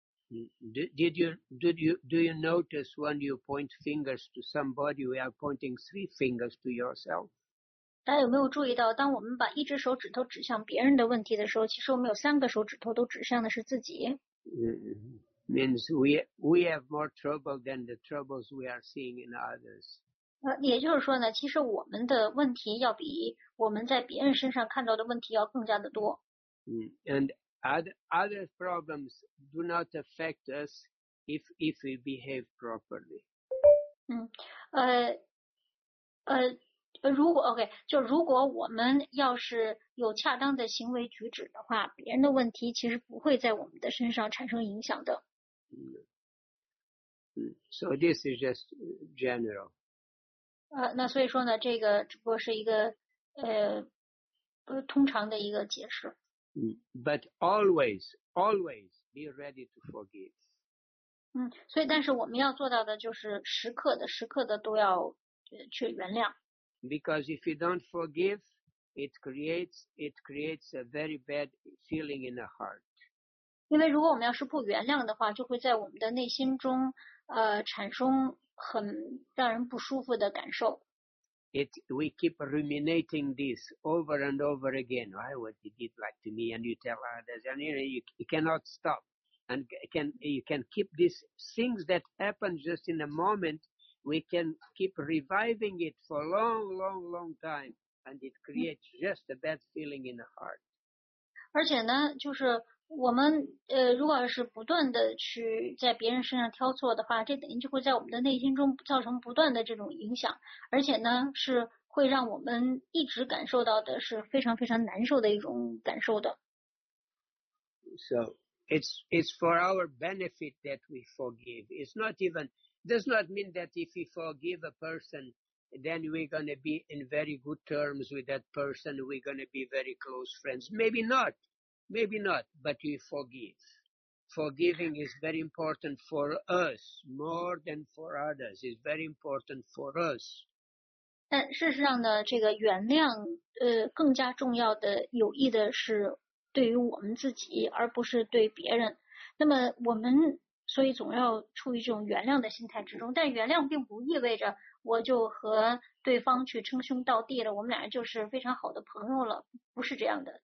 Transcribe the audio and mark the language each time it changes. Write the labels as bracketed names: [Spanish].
[English] Did you notice when you point fingers to somebody, we are pointing three fingers to yourself? [Chinese] 大家有没有注意到，当我们把一只手指头指向别人的问题的时候，其实我们有三个手指头都指向的是自己。 [English] Means we have more trouble than the troubles we are seeing in others. [Chinese] 也就是说呢，其实我们的问题要比我们在别人身上看到的问题要更加的多。 [English] And other problems do not affect us if we behave properly. [Chinese] 如果 OK， 就如果我们要是有恰当的行为举止的话，别人的问题其实不会在我们的身上产生影响的。 [English] So this is just general. [Chinese] 那所以说呢，这个只不过是一个通常的一个解释。 [English] But always be ready to forgive. [Chinese] 所以但是我们要做到的就是时刻的都要去原谅。 [English] Because if you don't forgive, it creates a very bad feeling in the heart. [Chinese] 因为如果我们要是不原谅的话，就会在我们的内心中，产生很让人不舒服的感受。 [English] We keep ruminating this over and over again. Why would he do like to me? And you tell others, and you cannot stop. And you can keep these things that happen just in a moment. We can keep reviving it for a long, long, long time, and it creates just a bad feeling in the heart. [Chinese] 而且呢，就是我们如果是不断的去在别人身上挑错的话，这等于就会在我们的内心中造成不断的这种影响，而且呢，是会让我们一直感受到的是非常非常难受的一种感受的。 [English] So it's for our benefit that we forgive. It's not even. Does not mean that if we forgive a person, then we're going to be in very good terms with that person. We're going to be very close friends. Maybe not. But we forgive. Forgiving is very important for us more than for others. It's very important for us. [Chinese] 但事实上呢，这个原谅，更加重要的、有益的是对于我们自己，而不是对别人。那么我们。所以总要处于这种原谅的心态之中，但原谅并不意味着我就和对方去称兄道弟了，我们俩就是非常好的朋友了，不是这样的。